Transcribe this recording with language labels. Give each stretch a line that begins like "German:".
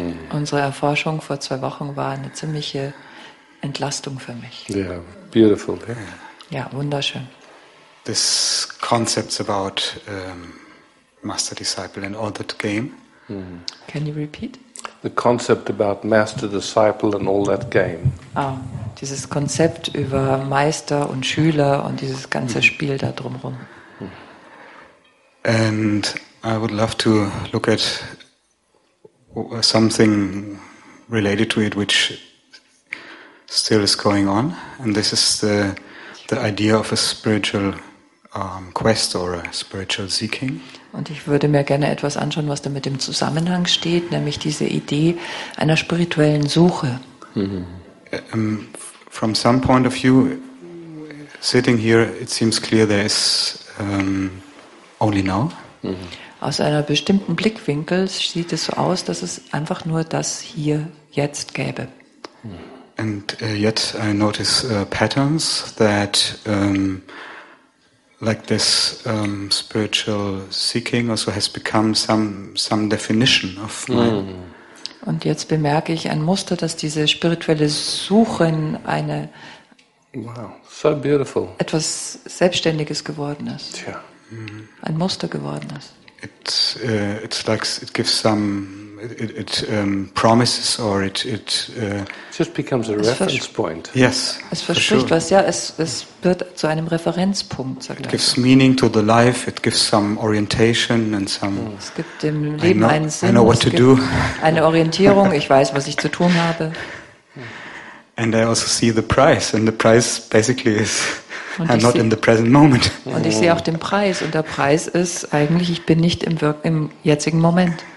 German: Unsere Erforschung vor 2 Wochen war eine ziemliche Entlastung für mich.
English: Yeah, beautiful. Yeah.
German: Ja, wunderschön.
English: This concept about master disciple and all that game. Can you repeat? The concept about master disciple and all that game. Ah.
German: Dieses Konzept über Meister und Schüler und dieses ganze Spiel da drumherum.
English: And I would love to look at something related to it, which still is going on. And this is the idea of a spiritual quest or a spiritual seeking.
German: Und ich würde mir gerne etwas anschauen, was da mit dem Zusammenhang steht, nämlich diese Idee einer spirituellen Suche.
English: From some point of view, sitting here, it seems clear there is only now.
German: Aus einer bestimmten Blickwinkel sieht es so aus, dass es einfach nur das hier jetzt gäbe.
English: And yet I notice patterns that like this spiritual seeking also has become some definition of mine.
German: Und jetzt bemerke ich ein Muster, dass diese spirituelle Suchen eine
English: so beautiful.
German: Etwas Selbstständiges geworden ist. Tja. Ein Muster geworden ist.
English: It's like it gives some it promises or it just becomes a reference point. Yes.
German: Es verspricht was, ja, es wird zu einem Referenzpunkt, sagt er.
English: It gives meaning to the life, it gives some orientation and some
German: es gibt dem Leben einen Sinn.
English: I know what to do.
German: Eine Orientierung, ich weiß, was ich zu tun habe.
English: And I also see the price, and the price basically is I'm not in the present moment.
German: Und ich sehe auch den Preis, und der Preis ist eigentlich, ich bin nicht im jetzigen Moment.